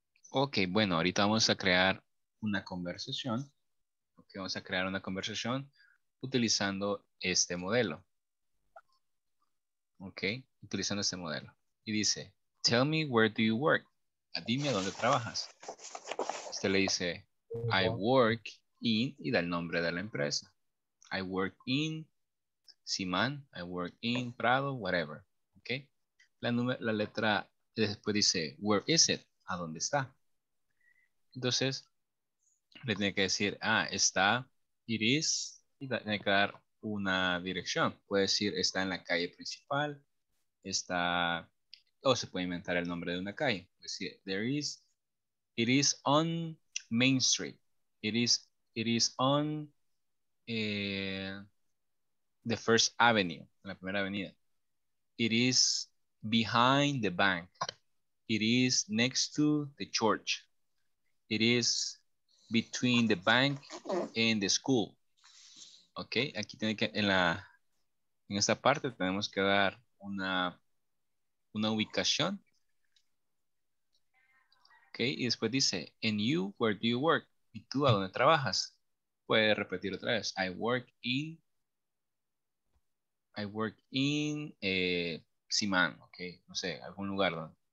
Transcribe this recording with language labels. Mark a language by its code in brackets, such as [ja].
[es] Ok, bueno, ahorita vamos a crear una conversación. Ok, vamos a crear una conversación utilizando este modelo. Ok, utilizando este modelo. Y dice, [en] tell me where do you work? [es] Dime dónde trabajas. Usted le dice, [en] I work in, [es] y da el nombre de la empresa. [en] I work in Simán, I work in Prado, whatever. [es] Ok, la letra después dice, [en] where is it? [es] ¿A dónde está? Entonces, le tiene que decir, ah, está, [en] it is, [es] y tiene que dar una dirección. Puede decir, está en la calle principal, está, o se puede inventar el nombre de una calle. Puede decir, [en] it is on Main Street. It is on the First Avenue, [es] la primera avenida. [en] It is behind the bank. It is next to the church. It is between the bank and the school. [es] Ok, aquí tiene que, en esta parte tenemos que dar una ubicación. Ok, y después dice, [en] and you, where do you work? [es] ¿Y tú a dónde trabajas? Puede repetir otra vez, [en] I work in [es] Simán, ok, no sé, algún lugar, ¿no?